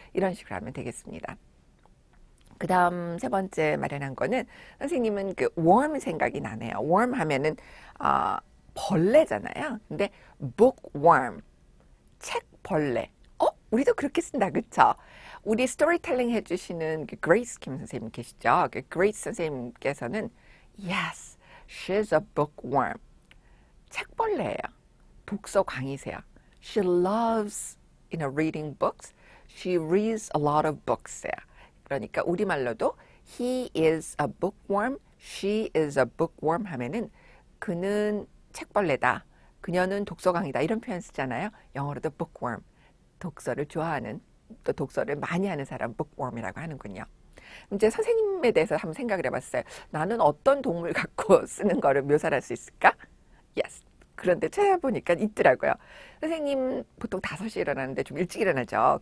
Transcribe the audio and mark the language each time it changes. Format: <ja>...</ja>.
<ko>이런 식으로 하면 되겠습니다. 그 다음 세 번째 마련한 거는 선생님은 그 worm 생각이 나네요. worm 하면은 벌레잖아요. 근데 bookworm, 책벌레. 우리도 그렇게 쓴다, 그쵸? 우리 스토리텔링 해주시는 그 Grace Kim 선생님 계시죠? 그 Grace 선생님께서는</ko> <en>Yes, she is a bookworm.</en> <ko>책벌레예요. 독서 광이세요.</ko> <en>She loves, you know, reading books. She reads a lot of books.</en> <ko>그러니까 우리말로도</ko> <en>He is a bookworm. She is a bookworm</en> <ko>하면은 그는 책벌레다. 그녀는 독서 광이다. 이런 표현 쓰잖아요. 영어로도 bookworm. 독서를 좋아하는, 또 독서를 많이 하는 사람 bookworm이라고 하는군요. 이제 선생님에 대해서 한번 생각을 해봤어요. 나는 어떤 동물 갖고 쓰는 거를 묘사할 수 있을까?</ko> <en>Yes.</en> <ko>그런데 찾아보니까 있더라고요. 선생님 보통 5시에 일어나는데 좀 일찍 일어나죠.</ko>